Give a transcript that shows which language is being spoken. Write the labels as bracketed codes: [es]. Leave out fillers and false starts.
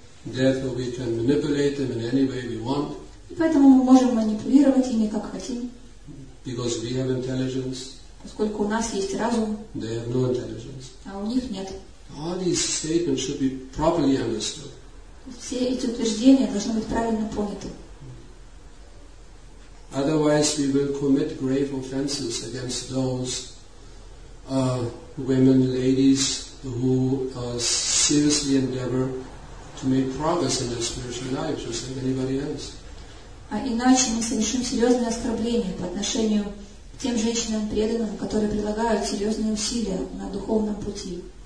[en] Therefore, we can manipulate them in any way we want. [ru] И поэтому мы можем манипулировать ими как хотим. [en] Because we have intelligence. [ru] Поскольку у нас есть разум. [en] They have no intelligence. [ru] А у них нет. [en] All these statements should be properly understood. [ru] Все эти утверждения должны быть правильно поняты. [en] Otherwise, we will commit grave offenses against those women, ladies, who seriously endeavor to make progress in their spiritual lives, just like anybody else. [ru] А иначе мы совершим серьезное оскорбление по отношению к тем женщинам преданным, которые прилагают серьезные усилия на духовном пути.